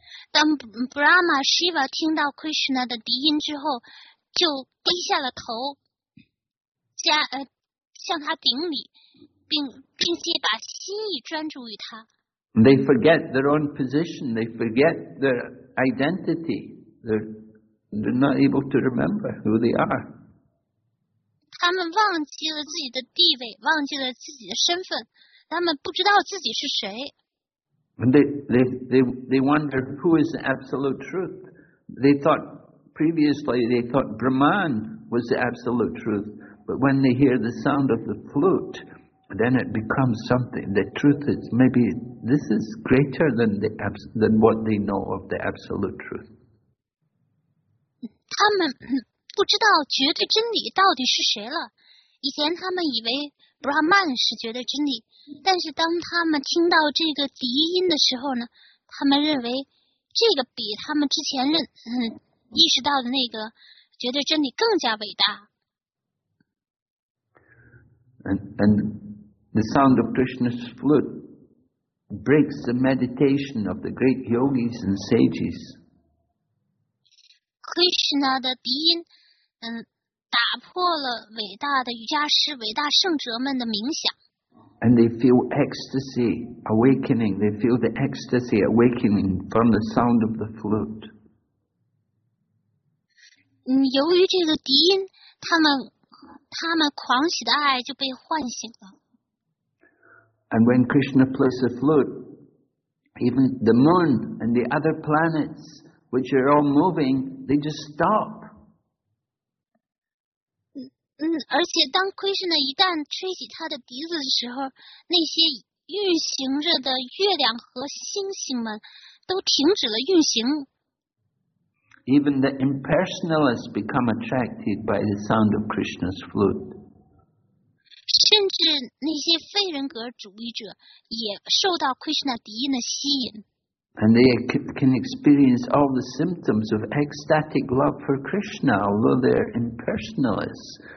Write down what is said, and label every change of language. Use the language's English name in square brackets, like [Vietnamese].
[Chinese] 当 Brahma Shiva 听到 Krishna 的笛音之后，就低下了头，向他顶礼，并且把心意专注于他。 [English] They forget their own position. They forget their identity. They're not able to remember who they are. [Chinese] 他们忘记了自己的地位，忘记了自己的身份，他们不知道自己是谁。 [English] They wonder who is the absolute truth. They thought previously they thought Brahman was the absolute truth, but when they hear the sound of the flute, then it becomes something. The truth is maybe this is greater than what they know of the absolute truth. [Chinese] 他们。不知道绝对真理到底是谁了。以前他们以为 Brahman 是绝对真理，但是当他们听到这个笛音的时候呢，他们认为这个比他们之前意识到的那个绝对真理更加伟大。 [English] And the sound of Krishna's flute breaks the meditation of the great yogis and sages. [Chinese] Krishna 的鼻音，打破了伟大的瑜伽师、伟大圣哲们的冥想。 [English] And they feel ecstasy awakening. They feel the ecstasy awakening from the sound of the flute. [Chinese] 由于这个笛音，他们狂喜的爱就被唤醒了。 [English] And when Krishna plays the flute, even the moon and the other planets, which are all moving, they just stop. [Chinese] 而且当 Krishna 一旦吹起他的笛子的时候，那些运行着的月亮和星星们都停止了运行。 [English] Even the impersonalists become attracted by the sound of Krishna's flute. [Chinese] 甚至那些非人格主义者也受到 Krishna 笛音的吸引。 [English] And they can experience all the symptoms of ecstatic love for Krishna, although they're impersonalists.